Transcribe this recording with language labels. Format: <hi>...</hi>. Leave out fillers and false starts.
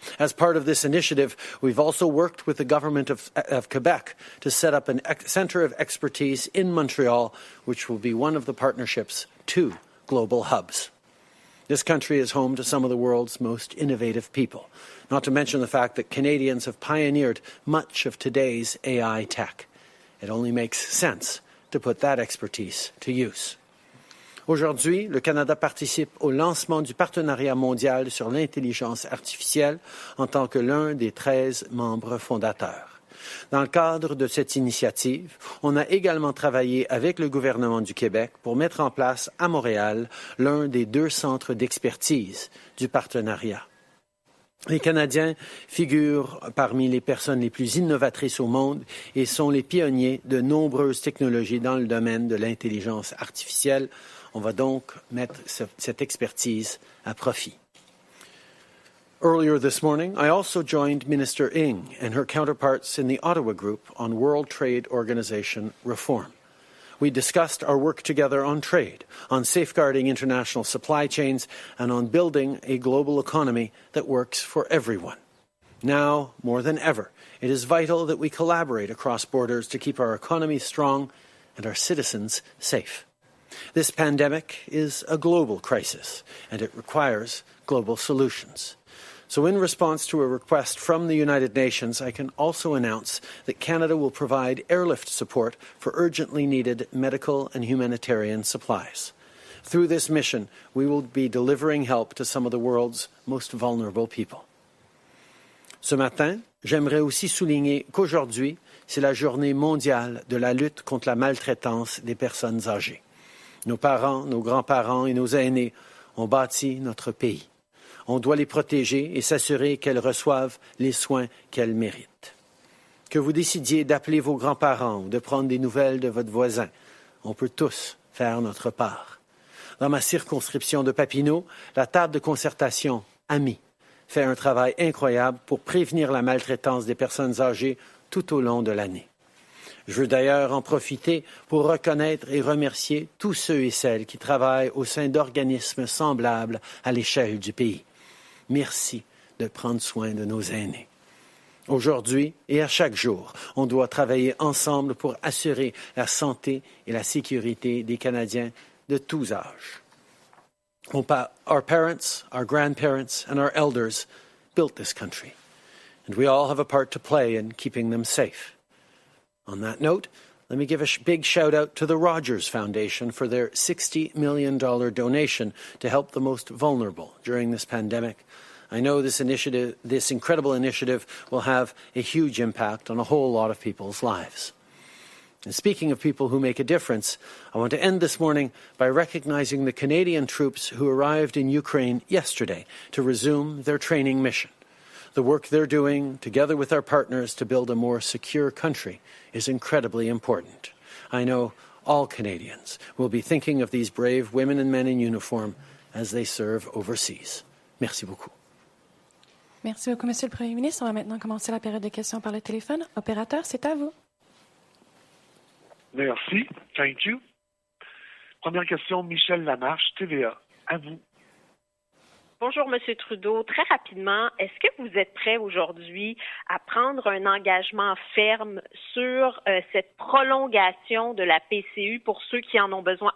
<en>As part of this initiative, we've also worked with the government of Quebec to set up a center of expertise in Montreal, which will be one of the partnership's two global hubs. This country is home to some of the world's most innovative people, not to mention the fact that Canadians have pioneered much of today's AI tech. It only makes sense to put that expertise to use.</en> <fr>Aujourd'hui, le Canada participe au lancement du partenariat mondial sur l'intelligence artificielle en tant que l'un des 13 membres fondateurs. Dans le cadre de cette initiative, on a également travaillé avec le gouvernement du Québec pour mettre en place à Montréal l'un des deux centres d'expertise du partenariat. Les Canadiens figurent parmi les personnes les plus innovatrices au monde et sont les pionniers de nombreuses technologies dans le domaine de l'intelligence artificielle. On va donc mettre cette expertise à profit.</fr> <en>Earlier this morning, I also joined Minister Ng and her counterparts in the Ottawa Group on World Trade Organization reform. We discussed our work together on trade, on safeguarding international supply chains, and on building a global economy that works for everyone. Now, more than ever, it is vital that we collaborate across borders to keep our economy strong and our citizens safe. This pandemic is a global crisis, and it requires global solutions. So in response to a request from the United Nations, I can also announce that Canada will provide airlift support for urgently needed medical and humanitarian supplies. Through this mission, we will be delivering help to some of the world's most vulnerable people.</en> <fr>Ce matin, j'aimerais aussi souligner qu'aujourd'hui, c'est la journée mondiale de la lutte contre la maltraitance des personnes âgées. Nos parents, nos grands-parents et nos aînés ont bâti notre pays. On doit les protéger et s'assurer qu'elles reçoivent les soins qu'elles méritent. Que vous décidiez d'appeler vos grands-parents ou de prendre des nouvelles de votre voisin, on peut tous faire notre part. Dans ma circonscription de Papineau, la table de concertation AMI fait un travail incroyable pour prévenir la maltraitance des personnes âgées tout au long de l'année. Je veux d'ailleurs en profiter pour reconnaître et remercier tous ceux et celles qui travaillent au sein d'organismes semblables à l'échelle du pays. Merci de prendre soin de nos aînés. Aujourd'hui et à chaque jour, on doit travailler ensemble pour assurer la santé et la sécurité des Canadiens de tous âges.</fr> <en>Our parents, our grandparents, and our elders built this country. And we all have a part to play in keeping them safe. On that note, let me give a big shout-out to the Rogers Foundation for their $60 million donation to help the most vulnerable during this pandemic. I know this incredible initiative will have a huge impact on a whole lot of people's lives. And speaking of people who make a difference, I want to end this morning by recognizing the Canadian troops who arrived in Ukraine yesterday to resume their training mission. The work they're doing, together with our partners, to build a more secure country is incredibly important. I know all Canadians will be thinking of these brave women and men in uniform as they serve overseas.</en> <fr>Merci beaucoup. Merci beaucoup, Monsieur le Premier ministre. On va maintenant commencer la période de questions par le téléphone. Opérateur, c'est à vous. Merci.</fr> <en>Thank you.</en> <fr>Première question, Michel Lamarche, TVA. À vous. Bonjour, M. Trudeau. Très rapidement, est-ce que vous êtes prêt aujourd'hui à prendre un engagement ferme sur cette prolongation de la PCU pour ceux qui en ont besoin?</fr>